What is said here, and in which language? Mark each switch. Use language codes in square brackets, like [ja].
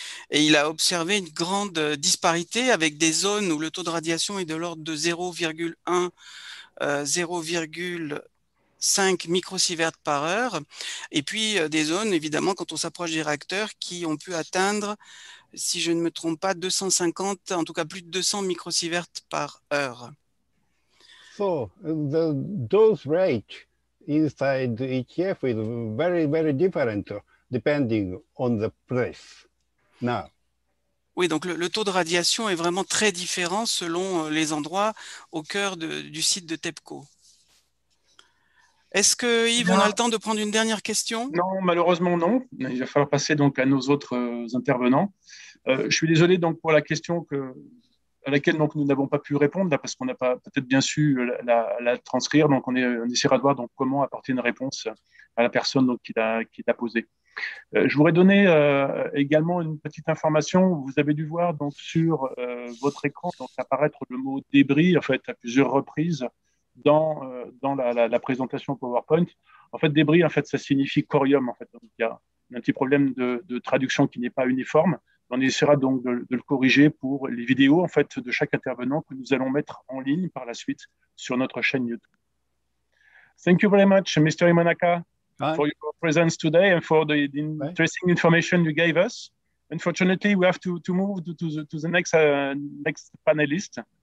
[fr] Et il a observé une grande disparité avec des zones où le taux de radiation est de l'ordre de 0,1, 0,5 microsieverts par heure. Et puis, des zones, évidemment, quand on s'approche des réacteurs, qui ont pu atteindre, si je ne me trompe pas, 250, en tout cas plus de 200 microsieverts par heure. [en] So the dose rate inside the ETF is very, very different depending on the place now. [fr] Oui, donc le taux de radiation est vraiment très différent selon les endroits au cœur du site de TEPCO. Est-ce que Yves, on a le temps de prendre une dernière question? Non, malheureusement non. Il va falloir passer donc à nos autres intervenants. Je suis désolé donc pour la question à laquelle donc nous n'avons pas pu répondre là, parce qu'on n'a pas peut-être bien su la transcrire. Donc on essaiera de voir donc comment apporter une réponse à la personne donc qui l'a posée. Je voudrais donner également une petite information. Vous avez dû voir donc sur votre écran donc apparaître le mot débris en fait à plusieurs reprises dans la présentation PowerPoint. En fait, débris, en fait, ça signifie corium. En fait, donc, il y a un petit problème de traduction qui n'est pas uniforme. On essaiera donc de le corriger pour les vidéos en fait de chaque intervenant que nous allons mettre en ligne par la suite sur notre chaîne YouTube. [en] Thank you very much, Mr. Imanaka, for your presence today and for the interesting information you gave us. Unfortunately, we have to move to the next panelist.